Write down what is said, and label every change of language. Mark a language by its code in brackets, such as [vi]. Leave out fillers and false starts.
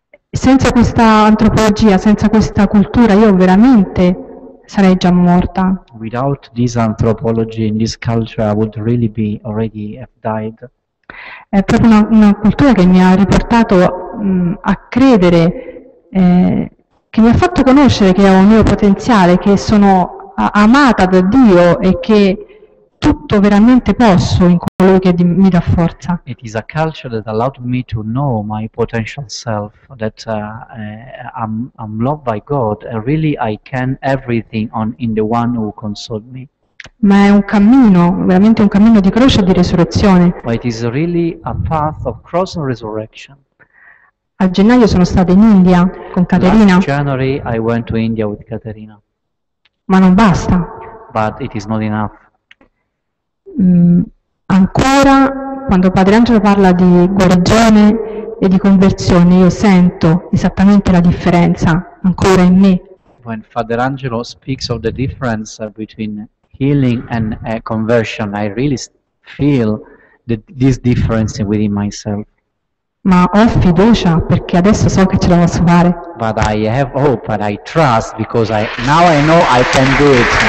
[it] Senza questa antropologia, senza questa cultura, io veramente sarei già morta. [en] Without this anthropology and this culture, I would really be already have died. [it] È proprio una cultura che mi ha riportato a credere, che mi ha fatto conoscere che ho un mio potenziale, che sono amata da Dio e che tutto veramente posso in colui che mi dà forza. [en] It is a culture that allowed me to know my potential self, that I'm loved by God, and really I can everything in the one who consoled me. [it] Ma è un cammino, veramente un cammino di croce e di resurrezione. [en] But it is really a path of cross and resurrection. [it] A gennaio sono stata in India con Caterina. [en] Last January I went to India with Caterina. [it] Ma non basta. [en] But it is not enough. [it] Ancora, quando Padre Angelo parla di guarigione e di conversione, io sento esattamente la differenza ancora in me. [en] When Father Angelo speaks of the difference between healing and conversion, I really feel this difference within myself. [it] Ma ho fiducia perché adesso so che ce la posso fare. [en] But I have hope and I trust because I now I know I can do it.